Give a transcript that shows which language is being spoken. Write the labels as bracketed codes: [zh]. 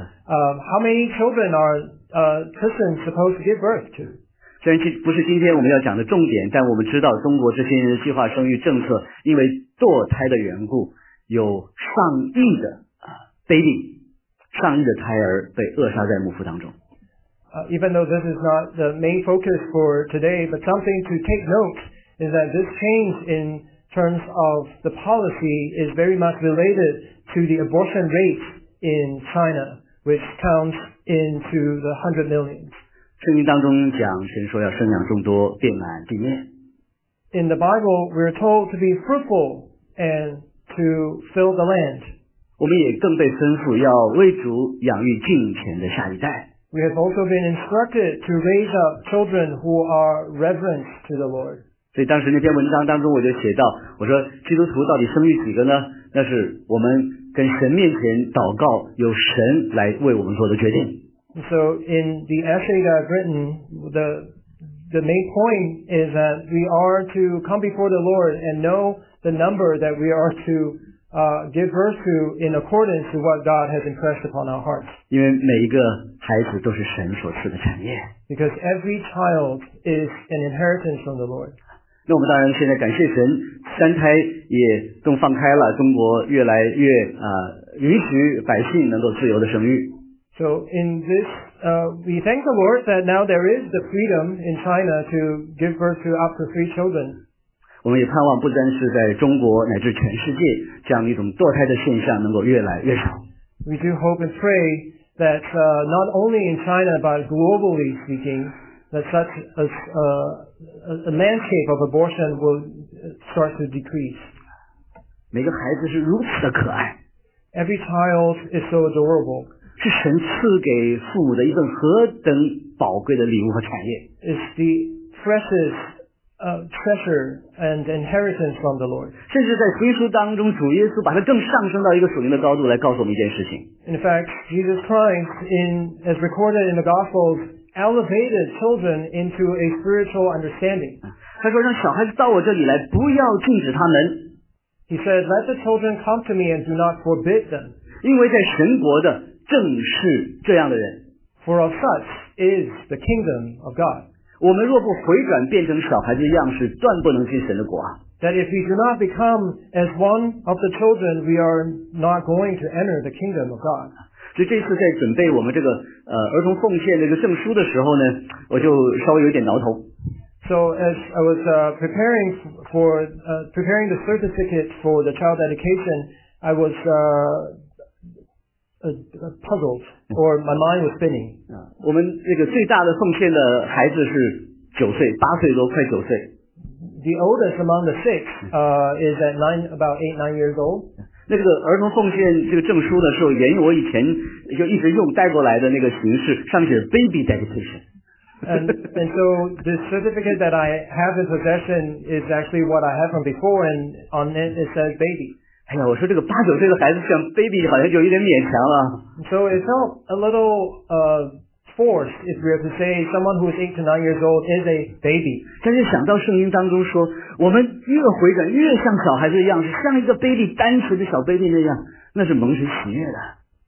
[en] How many children are Christians supposed to give birth to? [zh] 虽然不是今天我们要讲的重点，但我们知道中国这些年的计划生育政策，因为堕胎的缘故，有上亿的baby, 上亿的胎儿被扼杀在母腹当中。 [en] even though this is not the main focus for today, but something to take note is that this change in terms of the policy is very much related to the abortion rate in China, which counts into the 100 million. [zh] 圣经当中讲，神说要生养众多，遍满地面。 [en] In the Bible, we are told to be fruitful and to fill the land. [zh] 我们也更被吩咐要为主养育敬虔的下一代。 [en] We have also been instructed to raise up children who are reverent to the Lord. [zh] 所以当时那篇文章当中我就写到，我说基督徒到底生育几个呢？那是我们跟神面前祷告，由神来为我们做的决定。 [en] So in the essay that I've written, the main point is that we are to come before the Lord and know the number that we are to give birth to in accordance to what God has impressed upon our hearts. [zh] 因为每一个孩子都是神所赐的产业。 [en] Because every child is an inheritance from the Lord. [zh] 那我们当然现在感谢神，三胎也都放开了，中国越来越允许百姓能够自由的生育。 [en] So in this, we thank the Lord that now there is the freedom in China to give birth to up to three children. [zh] 我们也盼望不单是在中国乃至全世界这样一种堕胎的现象能够越来越少。 [en] We do hope and pray that not only in China but globally speaking, that such a landscape of abortion will start to decrease. [zh] 每个孩子是如此的可爱。 [en] Every child is so adorable. [zh] 是神赐给父母的一份何等宝贵的礼物和产业。 [en] It's the precious, treasure and inheritance from the Lord. [zh] 甚至在福音书当中，主耶稣把它更上升到一个属灵的高度来告诉我们一件事情。 [en] In fact, Jesus Christ, as recorded in the Gospels, elevated children into a spiritual understanding. [zh] 他说让小孩子到我这里来，不要禁止他们。 [en] He said, let the children come to me and do not forbid them. [zh] 因为在神国的正是这样的人。 [en] For of such is the kingdom of God. [zh] 我们若不回转变成小孩子的样式，断不能进神的国。 [en] That if we do not become as one of the children, we are not going to enter the kingdom of God. [zh] 所以这次在准备我们这个儿童奉献这个证书的时候呢，我就稍微有点挠头。 [en] So as I was preparing the certificate for the child education, I was puzzled, or my mind was spinning. [zh] 我们那个最大的奉献的孩子是九岁，八岁多，快九岁。 [en] The oldest among the six, is at about eight, nine years old. [zh] 那这个儿童奉献这个证书呢，是沿用我以前就一直用带过来的那个形式，上面写 [en] baby dedication. and so the certificate that I have in possession is actually what I have from before, and on it it says baby. [zh] 哎呀，我说这个八九岁的孩子像 baby， 好像就有点勉强了。 [en] So it felt a little forced if we have to say someone who is 8 to 9 years old is a baby。 [zh] 但是想到圣经当中说，我们越回转越像小孩子的样子，像一个 baby， 单纯的小 baby 那样，那是蒙神喜悦的。